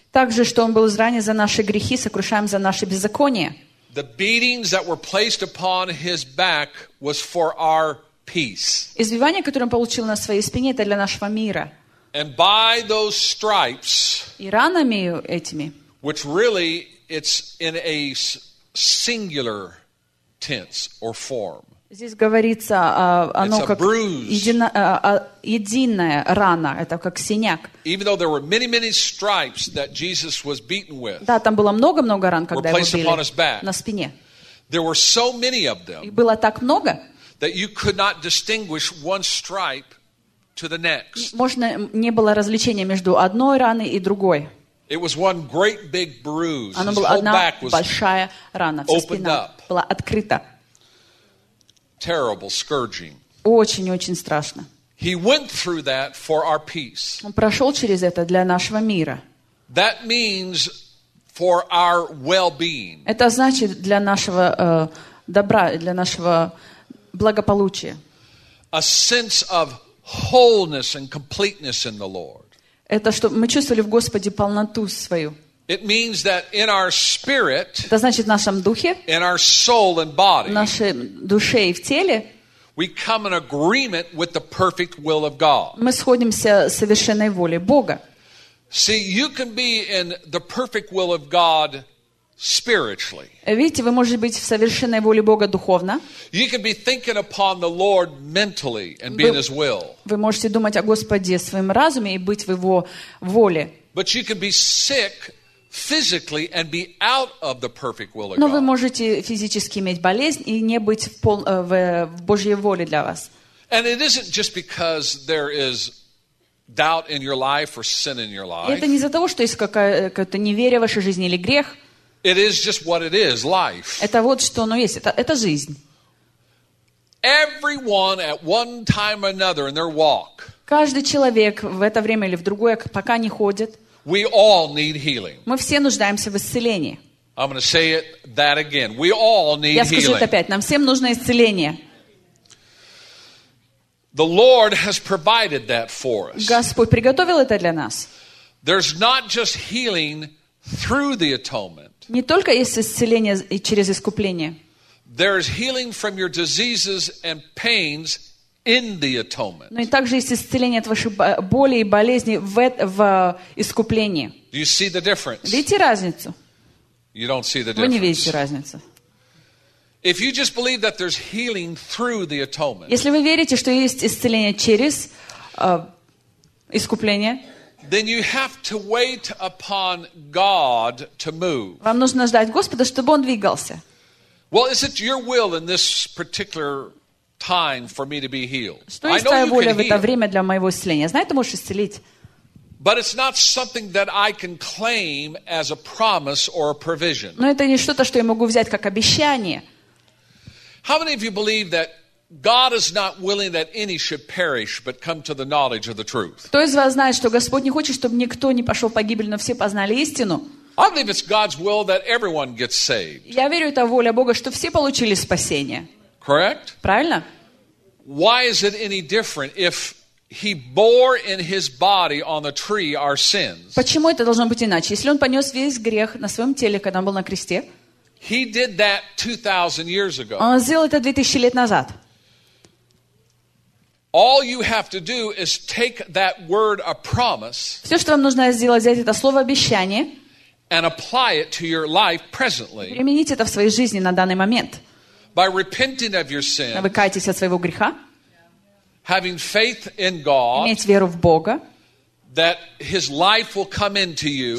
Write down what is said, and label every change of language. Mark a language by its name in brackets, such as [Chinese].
[Russian] Также, что он был изранен за наши грехи, сокрушаем за наши беззакония. [English] The beatings that were placed upon his back was for our peace. [Russian] Избивание, которое он получил на своей спине, это для нашего мира. [English] And by those stripes, [Russian] и ранами этими, [English] which really it's in a singular tense or form. [Russian] Здесь говорится, оно [English] it's [Russian] как единая рана, это как синяк. [English] Even though there were many, many stripes that Jesus was beaten with, [Russian] да, там было много-много ран, когда [English] were placed upon his back, [Russian] на спине. [English] There were so many of them, [Russian] их было так много, [English] that you could not distinguish one stripe to the next. [Russian] Можно не было различения между одной раной и другой. [English] It was one great big bruise. [Russian] Оно была одна большая рана. Вся спина была открыта. [English] Terrible scourging. [Russian] Очень-очень страшно. [English] He went through that for our peace. [Russian] Он прошел через это для нашего мира. [English] That means for our well-being. [Russian] Это значит для нашего добра, для нашего благополучия. [English] A sense of wholeness and completeness in the Lord. [Russian] Это что мы чувствовали в Господе полноту свою. [English] It means that in our spirit, [Russian] это значит в нашем духе, [English] in our soul and body, [Russian] в нашей душе и в теле, [English] we come in agreement with the perfect will of God. [Russian] Мы сходимся с совершенной волей Бога. [English] See, you can be in the perfect will of God spiritually. [Russian] Видите, вы можете быть в совершенной воле Бога духовно. [English] You can be thinking upon the Lord mentally and be in His will. [Russian] Вы можете думать о Господе своим разумом и быть в Его воле. [English] But you can be sick physically and be out of the perfect will of God. [Russian] Но вы можете физически иметь болезнь и не быть в Божьей воле для вас. [English] And it isn't just because there is doubt in your life or sin in your life. [Russian] Это не из-за того, что есть какое-то неверие в вашей жизни или грех. [English] It is just what it is, life. [Russian] Это вот что оно есть, это жизнь. [English] Everyone at one time or another in their walk. [Russian] Каждый человек в это время или в другое, пока не ходит. [English] We all need healing. [Russian] Мы все нуждаемся в исцелении. [English] I'm going to say it that again. We all need healing. [Russian] Я скажу это опять. Нам всем нужно исцеление. [English] The Lord has provided that for us. [Russian] Господь приготовил это для нас. [English] There's not just healing through the atonement. [Russian] Не только есть исцеление через искупление. [English] There's healing from your diseases and pains in the atonement. [Russian] Но и также есть исцеление от вашей боли и болезни в искуплении. [English] Do you see the difference? [Russian] Видите разницу? [English] You don't see the difference. [Russian] Вы не видите разницу. [English] If you just believe that there's healing through the atonement. [Russian] Если вы верите, что есть исцеление через искупление, [English] then you have to wait upon God to move. [Russian] Вам нужно ждать Господа, чтобы он двигался. [English] Well, is it your will in this particular time for me to be healed? [Russian] Что есть твоя воля в это время для моего исцеления? Знаю, ты можешь исцелить. [English] But it's not something that I can claim as a promise or a provision. [Russian] Но это не что-то, что я могу взять как обещание. [English] How many of you believe that God is not willing that any should perish, but come to the knowledge of the truth? [Russian] Кто из вас знает, что Господь не хочет, чтобы никто не пошел погибель, но все познали истину? [English] I believe it's God's will that everyone gets saved. [Russian] Я верю, это воля Бога, что все получили спасение. [English] Correct? [Russian] Правильно? [English] Why is it any different if He bore in His body on the tree our sins? [Russian] Почему это должно быть иначе, если Он понес весь грех на своем теле, когда Он был на кресте? [English] He did that 2,000 years ago. [Russian] Он сделал это 2000 лет назад. [English] All you have to do is take that word, a promise. [Russian] Все, что вам нужно сделать, взять это слово обещание. [English] And apply it to your life presently. [Russian] Применить это в своей жизни на данный момент. [English] By repenting of your sin. [Russian] Выкаяться от своего греха. [English] Having faith in God. [Russian] Иметь веру в Бога. [English] That His life will come into you,